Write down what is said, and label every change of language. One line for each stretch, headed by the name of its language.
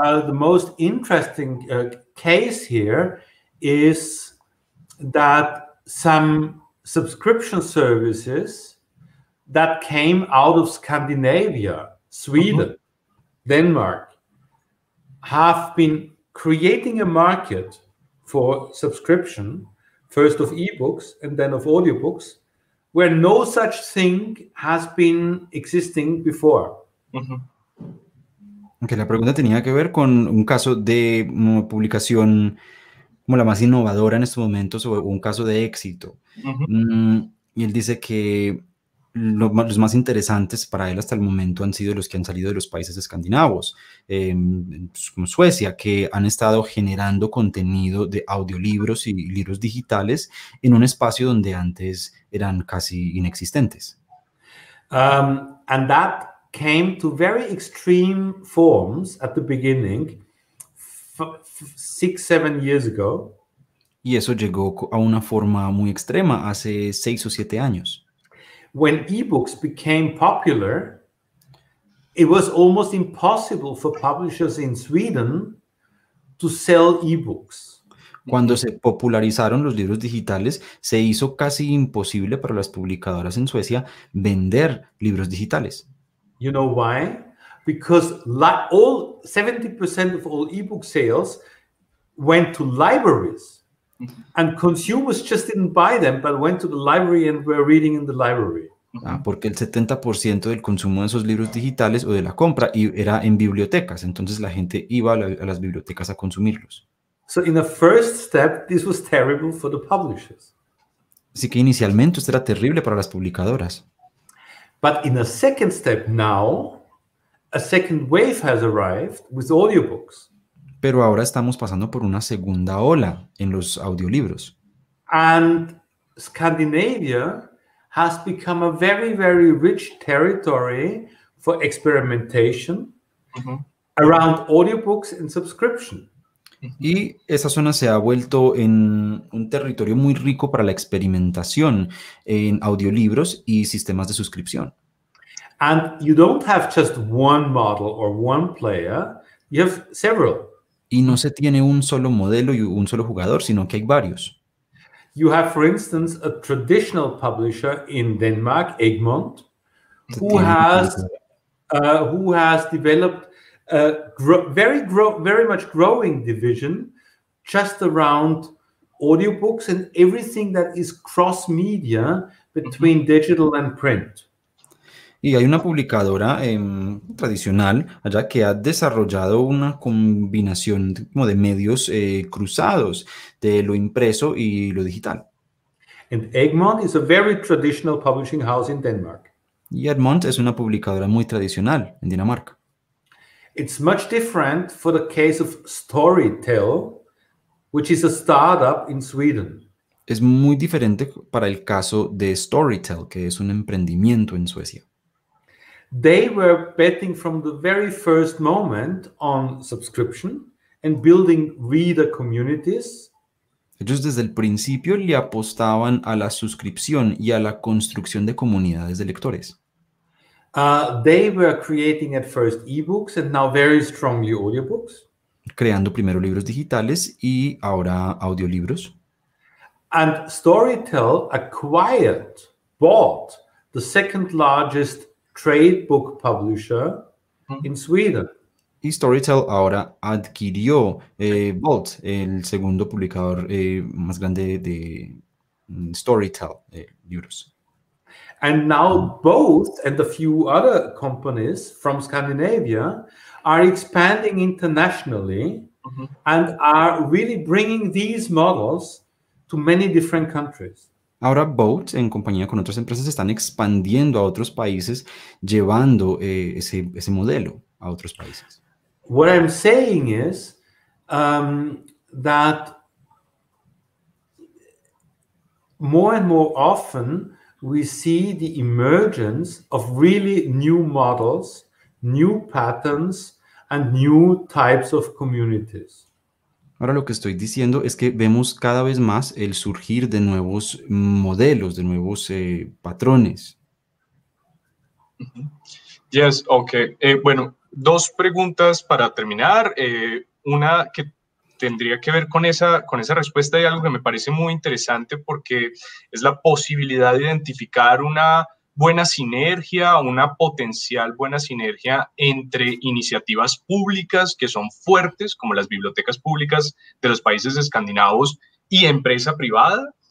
English: The most interesting case here is that some subscription services that came out of Scandinavia, Sweden, mm-hmm. Denmark, have been creating a market for subscription, first of ebooks and then of audiobooks, where no such thing has been existing before. Mm-hmm.
Spanish: Que la pregunta tenía que ver con un caso de publicación como la más innovadora en estos momentos o un caso de éxito. Uh-huh. Y él dice que los más interesantes para él hasta el momento han sido los que han salido de los países escandinavos, como Suecia, que han estado generando contenido de audiolibros y libros digitales en un espacio donde antes eran casi inexistentes.
English: And that came to very extreme forms at the beginning, 6-7 years ago.
Spanish: Y eso llegó a una forma muy extrema hace 6 o 7 años.
English: When ebooks became popular, it was almost impossible for publishers in Sweden to sell ebooks.
Spanish: Cuando se popularizaron los libros digitales, se hizo casi imposible para las publicadoras en Suecia vender libros digitales.
English: You know why? Because all 70% of all ebook sales went to libraries, mm-hmm. and consumers just didn't buy them, but went to the library and were reading in the library.
Spanish: Ah, porque el 70% del consumo de esos libros digitales o de la compra era en bibliotecas, entonces la gente iba a las bibliotecas a consumirlos.
English: So in a first step, this was terrible for the publishers.
Spanish: Así que inicialmente esto era terrible para las publicadoras.
English: But in a second step now, a second wave has arrived with audiobooks.
Spanish: Pero ahora estamos pasando por una segunda ola en los audiolibros.
English: And Scandinavia has become a very, very rich territory for experimentation around audiobooks and subscription.
Spanish: Y esa zona se ha vuelto en un territorio muy rico para la experimentación en audiolibros y sistemas de suscripción.
English: And you don't have just one model or one player, you have several.
Spanish: Y no se tiene un solo modelo y un solo jugador, sino que hay varios.
English: You have, for instance, a traditional publisher in Denmark, Egmont, who has developed a very much growing division just around audiobooks and everything that is cross-media between digital and print.
Spanish: Y hay una publicadora tradicional allá que ha desarrollado una combinación como de medios cruzados de lo impreso y lo digital.
English: And Egmont is a very traditional publishing house in Denmark.
Spanish: Y Egmont es una publicadora muy tradicional en Dinamarca.
English: It's much different for the case of Storytel, which is a startup in Sweden.
Spanish: Es muy diferente para el caso de Storytel, que es un emprendimiento en Suecia.
English: They were betting from the very first moment on subscription and building reader communities.
Spanish: Ellos desde el principio le apostaban a la suscripción y a la construcción de comunidades de lectores.
English: They were creating at first ebooks and now very strongly audiobooks.
Spanish: Creando primero libros digitales y ahora audiolibros.
English: And Storytel acquired, bought the second largest trade book publisher in Sweden.
Spanish: Y Storytel ahora adquirió Bolt, el segundo publicador más grande de Storytel libros.
English: And now both and a few other companies from Scandinavia are expanding internationally and are really bringing these models to many different countries.
Spanish: Ahora Boat, en compañía con otras empresas, están expandiendo a otros países, llevando ese modelo a otros países.
English: What I'm saying is that more and more often we see the emergence of really new models, new patterns, and new types of communities.
Spanish: Ahora lo que estoy diciendo es que vemos cada vez más el surgir de nuevos modelos, de nuevos patrones.
English: Yes, okay.
Spanish: Bueno, dos preguntas para terminar. Una que tendría que ver con esa respuesta y algo que me parece muy interesante porque es la posibilidad de identificar una buena sinergia, una potencial buena sinergia entre iniciativas públicas que son fuertes, como las bibliotecas públicas de los países escandinavos y empresa privada.